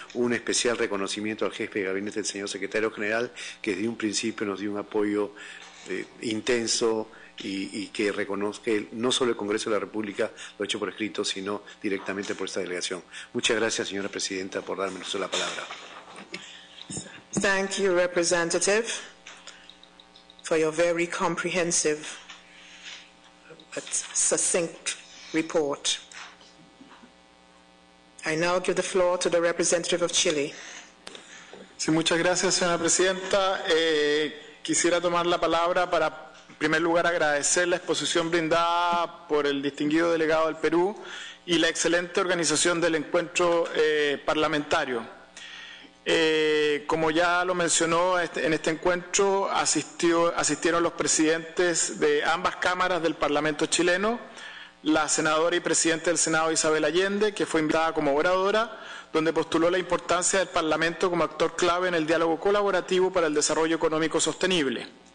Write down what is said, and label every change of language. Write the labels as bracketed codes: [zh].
[es] Un especial reconocimiento al jefe de gabinete del señor secretario general, que desde un principio nos dio un apoyo intenso y que reconozca no solo el Congreso de la República, lo hecho por escrito, sino directamente por esta delegación. Muchas gracias, señora Presidenta, por darme la palabra. [en] Thank you, representative, for your very comprehensive but succinct report. I now give the floor to the representative of Chile. [es] Sí, muchas gracias, señora Presidenta. Quisiera tomar la palabra para, en primer lugar, agradecer la exposición brindada por el distinguido delegado del Perú y la excelente organización del encuentro parlamentario. Como ya lo mencionó, en este encuentro asistieron los presidentes de ambas cámaras del Parlamento chileno, la senadora y presidenta del Senado Isabel Allende, que fue invitada como oradora, donde postuló la importancia del Parlamento como actor clave en el diálogo colaborativo para el desarrollo económico sostenible.